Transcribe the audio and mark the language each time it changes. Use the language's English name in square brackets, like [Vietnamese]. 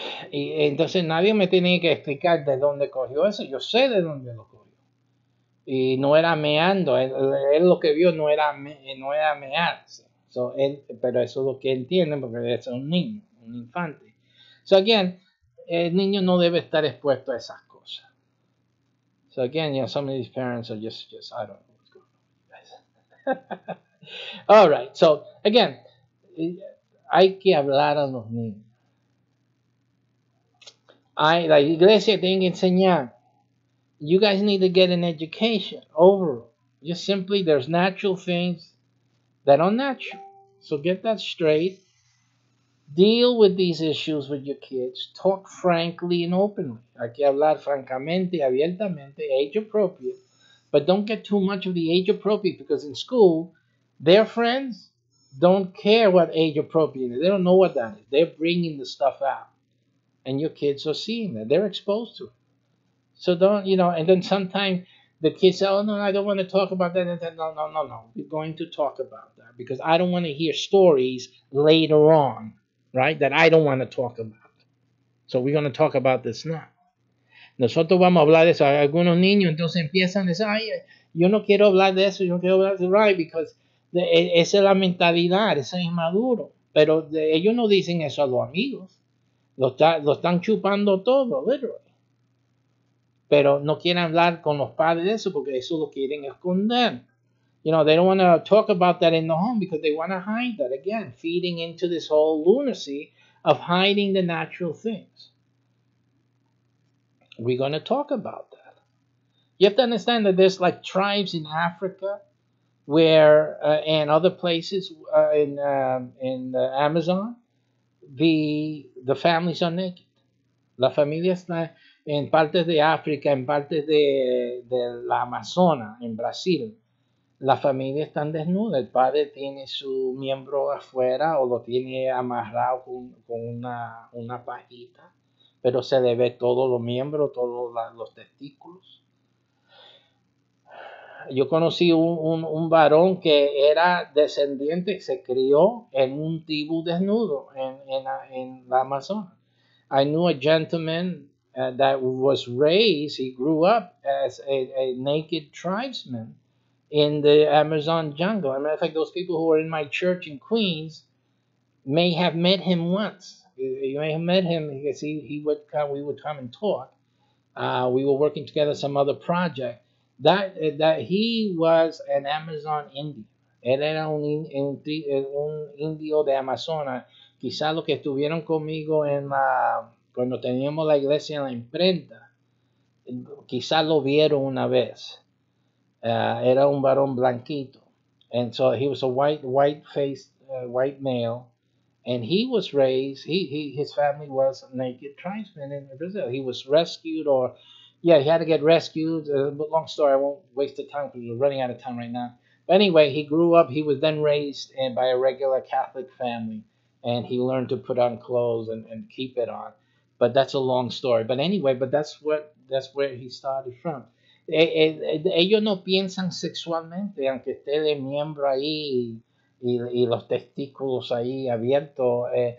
[Spanish] Y entonces nadie me tiene que explicar de dónde cogió eso. Yo sé de dónde lo cogió. Y no era meando. Él lo que vio no era mearse. So, él, pero eso es lo que entiende porque es un niño, un infante. [English] So again, [Spanish] el niño no debe estar expuesto a esas cosas. [English] So again, you know, some of these parents are just I don't know what's going on. All right, so again, [Spanish] hay que hablar a los niños. La iglesia tiene que enseñar. [English] You guys need to get an education overall. Just simply, there's natural things that are natural. So get that straight. Deal with these issues with your kids. Talk frankly and openly. [Spanish] Hay que hablar francamente, abiertamente, [English] age appropriate. But don't get too much of the age appropriate because in school, their friends don't care what age appropriate is. They don't know what that is. They're bringing the stuff out. And your kids are seeing that. They're exposed to it. So don't, you know, and then sometimes the kids say, oh, no, I don't want to talk about that. And then, no. We're going to talk about that because I don't want to hear stories later on, right, that I don't want to talk about. So we're going to talk about this now. [Spanish] Nosotros vamos a hablar de eso. Algunos niños entonces empiezan a decir, ay, yo no quiero hablar de eso. Yo no quiero hablar de eso. [English] Right, because [Spanish] esa es la mentalidad. Eso es inmaduro. Pero ellos no dicen eso a los amigos. Lo están chupando todo, [English] literally. [Spanish] Pero no quieren hablar con los padres de eso porque eso lo quieren esconder. [English] You know, they don't want to talk about that in the home because they want to hide that. Again, feeding into this whole lunacy of hiding the natural things. We're going to talk about that. You have to understand that there's like tribes in Africa where and other places in the Amazon. The families are naked. [Spanish] La familia está en partes de África, en partes de la Amazonas, en Brasil. La familia está desnuda. El padre tiene su miembro afuera o lo tiene amarrado con una pajita. Pero se le ve todos los miembros, todos los testículos. Yo conocí un varón que era descendiente, se crió en un tribu desnudo en la Amazonas. [English] I knew a gentleman that was raised, he grew up as a naked tribesman in the Amazon jungle. As a matter of fact, those people who were in my church in Queens may have met him once. You may have met him because we would come and talk. We were working together some other project. That he was an Amazon Indian. [Spanish] Él era un indio de Amazonas. Quizás los que estuvieron conmigo cuando teníamos la iglesia en la imprenta, quizás lo vieron una vez. Era un varón blanquito. [English] And so he was a white-faced, white male. And he was raised, his family was naked tribesmen in Brazil. He was rescued he had to get rescued. Long story, I won't waste the time because we're running out of time right now. But anyway, he grew up. He was then raised by a regular Catholic family. And he learned to put on clothes and keep it on. But that's a long story. But anyway, that's where he started from. [Spanish] Ellos no piensan sexualmente, aunque esté el miembro ahí y los testículos ahí abiertos.